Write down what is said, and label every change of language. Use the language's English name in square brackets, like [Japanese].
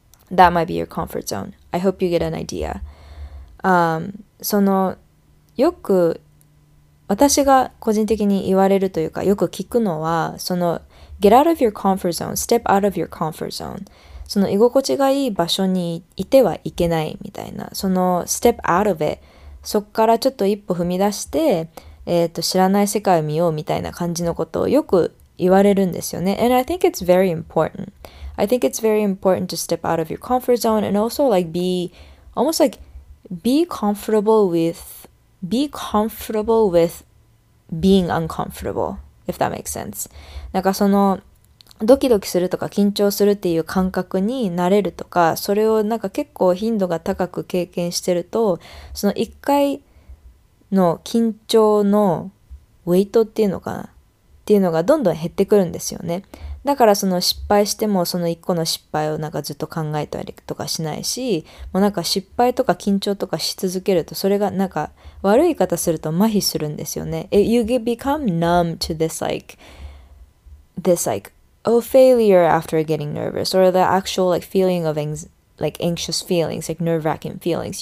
[English] That might be your comfort zone. I hope you get an idea. [Japanese] そのよく私が個人的に言われるというかよく聞くのは、その [English] get out of your comfort zone, [Japanese] step out of your comfort zone、 その居心地がいい場所にいてはいけないみたいな、その [English] step out of it、 [Japanese] そこからちょっと一歩踏み出して、知らない世界を見ようみたいな感じのことをよく言われるんですよね。 [English] And I think it's very important. I think it's very important to step out of your comfort zone and also like be almost like be comfortable with being uncomfortable, if that makes sense. [Japanese] なんかそのドキドキするとか緊張するっていう感覚に慣れるとか、それをなんか結構頻度が高く経験してると、その一回の緊張のウェイトっていうのかなっていうのがどんどん減ってくるんですよね。だからその失敗しても、その一個の失敗をなんかずっと考えたりとかしないし、もうなんか失敗とか緊張とかし続けると、それがなんか悪い言い方すると麻痺するんですよね。 [English] You become numb to this like oh, failure after getting nervous, or the actual like feeling of anxious feelings, like nerve-wracking feelings.